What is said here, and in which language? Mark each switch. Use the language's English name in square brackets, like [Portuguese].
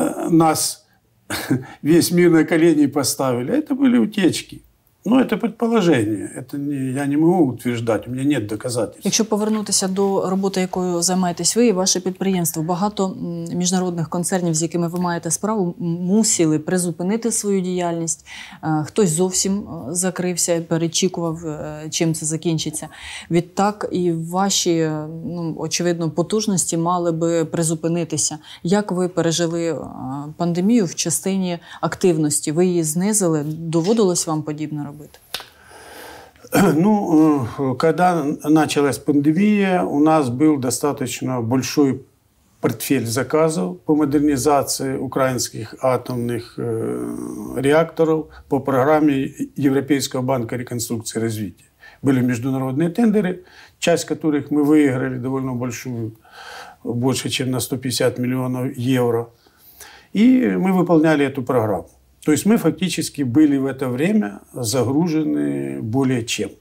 [Russian] Нас весь мир на колени поставили. Это были утечки. [Ukrainian] Ну, це предположення. Я не можу утверждати, у мене немає доказательств. Якщо повернутися до роботи, якою займаєтесь ви і ваше підприємство, багато міжнародних концернів, з якими ви маєте справу, мусили призупинити свою діяльність. Хтось зовсім закрився, перечікував, чим це закінчиться. Відтак і ваші, очевидно, потужності мали би призупинитися. Як ви пережили пандемію в частині активності? Ви її знизили? Доводилось вам подібне робити? Ну, коли почалась пандемія, у нас був достатньо великий портфель заказів по модернізації українських атомних реакторів по програмі Європейського банку реконструкції та розвитку. Були міжнародні тендери, частина яких ми виграли доволі велику, більше, ніж на 150 мільйонів євро. І ми виконували цю програму. [Russian] То есть мы фактически были в это время загружены более чем.